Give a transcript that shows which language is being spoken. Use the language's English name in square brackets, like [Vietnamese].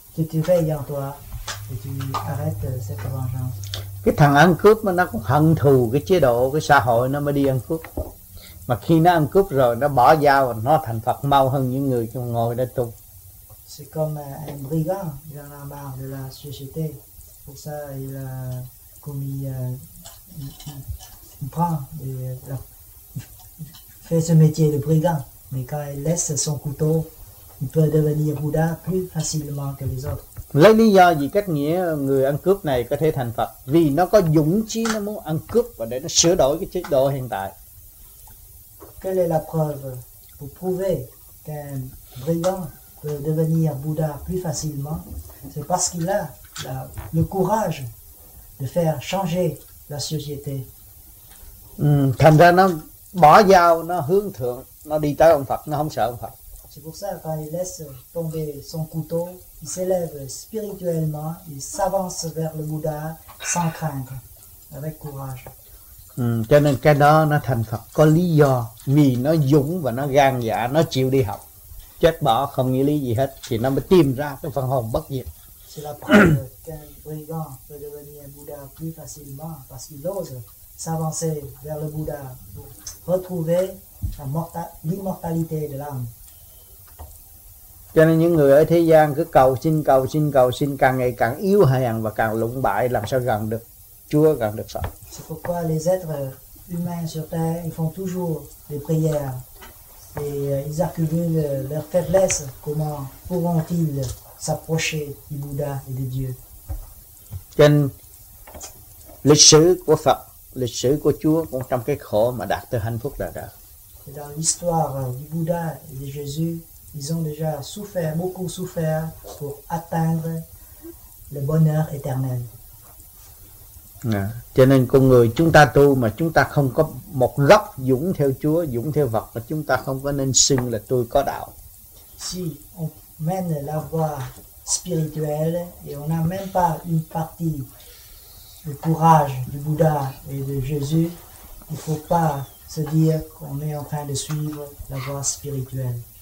[French] Tu veilles en toi. Et tu arrêtes cette vengeance. [Vietnamese] Cái thằng ăn cướp mà nó cũng hận thù cái chế độ, cái xã hội nó mới đi ăn cướp. Mà khi nó ăn cướp rồi, nó bỏ dao và nó thành Phật mau hơn những người ngồi đó tu. [French] C'est comme un brigand, il en a marre de la société. Pour ça, il a commis, il prend, il fait ce métier de brigand. Mais quand il laisse son couteau, il peut devenir Bouddha plus facilement que les autres. [Vietnamese] Lấy lý do gì cách nghĩa người ăn cướp này có thể thành Phật? Vì nó có dũng chí, nó muốn ăn cướp và để nó sửa đổi cái chế độ hiện tại. [French] Quelle est la preuve pour prouver qu'un brigand peut devenir Bouddha plus facilement? C'est parce qu'il a le courage de faire changer la société. [Vietnamese] Thành ra nó bỏ dao, nó hướng thượng, nó đi tới ông Phật, nó không sợ ông Phật. [French] C'est pour ça quand il laisse tomber son couteau, il s'élève spirituellement, il s'avance vers le Bouddha sans craindre, avec courage. [Vietnamese] Cho nên cái đó nó thành Phật có lý do, vì nó dũng và nó gan dạ, nó chịu đi học. chết bỏ không nghĩ lý gì hết thì nó mới tìm ra cái phần hồn bất diệt. [French] C'est la preuve qu'un brigand peut devenir un Bouddha plus facilement parce qu'il ose s'avancer vers le Bouddha pour retrouver la l'immortalité de l'âme. [Vietnamese] Cho nên những người ở thế gian cứ cầu xin càng ngày càng yếu hèn và càng lụng bại, làm sao gần được Chúa, gần được Phật. [French] C'est pourquoi les êtres humains sur terre ils font toujours des prières et ils accumulent leur faiblesse. Comment pourront-ils s'approcher du Bouddha et de Dieu? [Vietnamese] Trên lịch sử của Phật, lịch sử của Chúa cũng trong cái khổ mà đạt tới hạnh phúc là được. [French] Et dans l'histoire du Bouddha et de Jésus, ils ont déjà souffert, beaucoup souffert pour atteindre le bonheur éternel. [Vietnamese] Cho nên con người chúng ta tu mà chúng ta không có một gốc dũng theo Chúa, dũng theo Phật, mà chúng ta không có nên xưng là tôi có đạo. [French] Si on mène la voie spirituelle et on n'a même pas une partie du courage du Bouddha et de Jésus, il faut pas se dire qu'on est en train de suivre la voie spirituelle.